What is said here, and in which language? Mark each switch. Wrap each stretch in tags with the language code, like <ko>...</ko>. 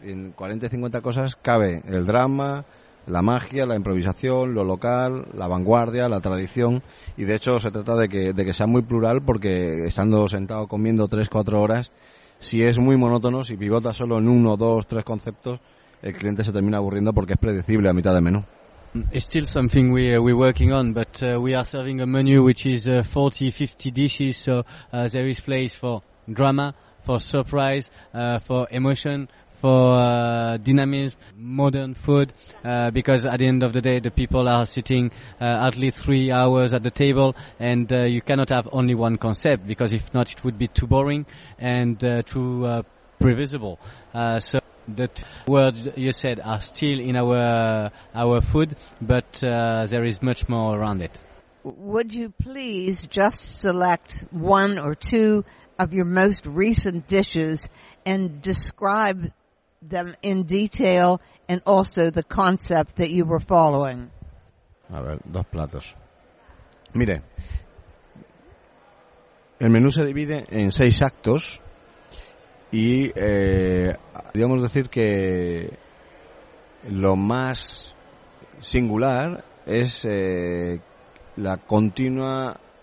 <es>En 40 y 50 cosas cabe el drama, la magia, la improvisación, lo local, la vanguardia, la tradición, y de hecho se trata de que sea muy plural, porque estando sentado comiendo 3-4 horas, si es muy monótono, si pivota solo en 1, 2, 3 conceptos, el cliente se termina aburriendo porque es predecible a mitad de menú.</es> <en>It's still something we're working on, but we are serving a menu which is 40-50 dishes, so there is place for drama, for surprise, for emotion, for dynamism, modern food, because at the end of the day the people are sitting at least 3 hours at the table, and you cannot have only one concept, because if not it would be too boring and too previsible. So that words you said are still in our food, but there is much more around it. Would you please just select one or two of your most recent dishes and describe them in detail and also the concept that you were following?</en> <es>A ver, dos platos. Mire, el menú se divide en seis actos y podríamos decir que lo más singular es el continuo</es>